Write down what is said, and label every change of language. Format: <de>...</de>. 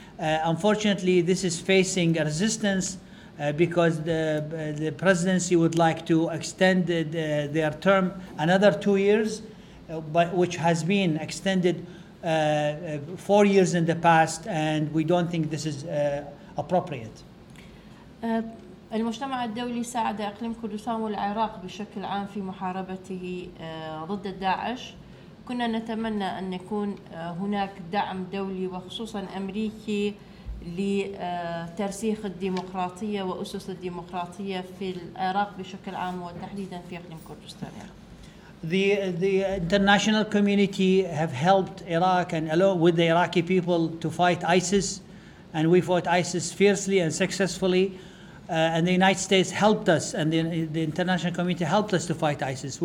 <en>Unfortunately, this is facing resistance because the presidency would like to extend their term another 2 years, which has been extended 4 years in the past, and we don't think this is appropriate.</en> <ar>المجتمع الدولي ساعد إقليم كردستان والعراق بشكل عام في محاربته ضد داعش. كنا نتمنى أن يكون هناك دعم دولي وخصوصاً أمريكي لترسيخ الديمقراطية وأسس الديمقراطية في العراق بشكل عام وتحديداً في إقليم كردستان.</ar> <en>The international community have helped Iraq and along with the Iraqi people to fight ISIS, and we fought ISIS fiercely and successfully. And the United States helped us, and the international community helped us to fight ISIS.</en>